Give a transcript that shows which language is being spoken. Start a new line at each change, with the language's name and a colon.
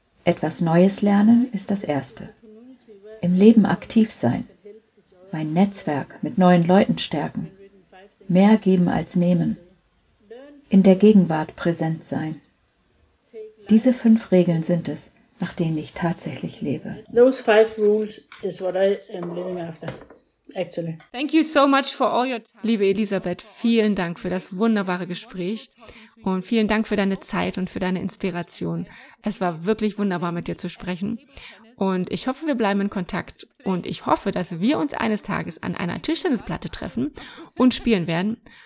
German: Etwas Neues lernen ist das Erste. Im Leben aktiv sein. Mein Netzwerk mit neuen Leuten stärken. Mehr geben als nehmen. In der Gegenwart präsent sein. Diese 5 Regeln sind es, nach denen ich tatsächlich lebe.
English: Those 5 rules is what I am living after, actually. Thank you so much for all your time.
German: Liebe Elisabeth, vielen Dank für das wunderbare Gespräch Und vielen Dank für deine Zeit und für deine Inspiration. Es war wirklich wunderbar, mit dir zu sprechen. Und ich hoffe, wir bleiben in Kontakt. Und ich hoffe, dass wir uns eines Tages an einer Tischtennisplatte treffen und spielen werden.